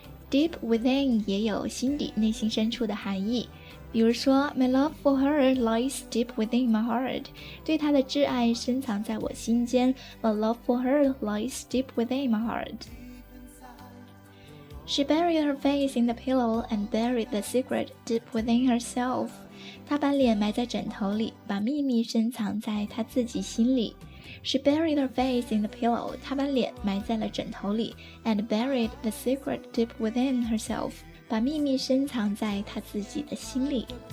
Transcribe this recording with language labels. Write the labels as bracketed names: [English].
[English] Deep within [Chinese] 也有心底内心深处的含义比如说 [English] My love for her lies deep within my heart, [Chinese] 对她的挚爱深藏在我心间 [English] My love for her lies deep within my heart. She buried her face in the pillow and buried the secret deep within herself. [Chinese] 她把脸埋在枕头里，把秘密深藏在她自己心里。 [English] She buried her face in the pillow. [Chinese] 她把脸埋在了枕头里 [English] and buried the secret deep within herself. [Chinese] 把秘密深藏在她自己的心里。